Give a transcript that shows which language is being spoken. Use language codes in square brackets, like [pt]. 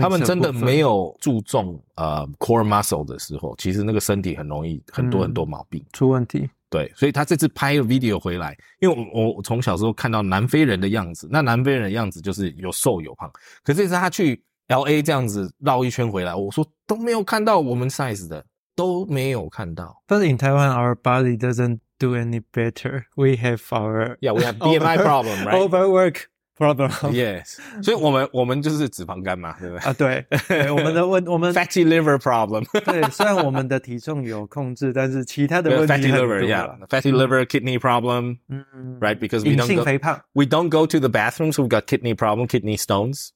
[zh] 他们真的没有注重core muscle 的时候，其实那个身体很容易很多很多毛病。出问题。对，所以他这次拍了 video 回来，因为我从小时候看到南非人的样子，那南非人的样子就是有瘦有胖。可是这次他去LA 这样子绕一圈回来，我说都没有看到我们 size 的，都没有看到。 [en] But in Taiwan, our body doesn't do any better. We have our yeah, we have BMI problem, right? Overwork problem. Yes. [zh] 所以我们就是脂肪肝嘛，对不对？啊，对，我们 [en] fatty liver problem. [zh] 对，虽然我们的体重有控制，但是其他的问题很多。 [en] Fatty liver, yeah. Fatty liver, kidney problem. Right, because we don't go to the bathroom, so we got kidney problem, kidney stones.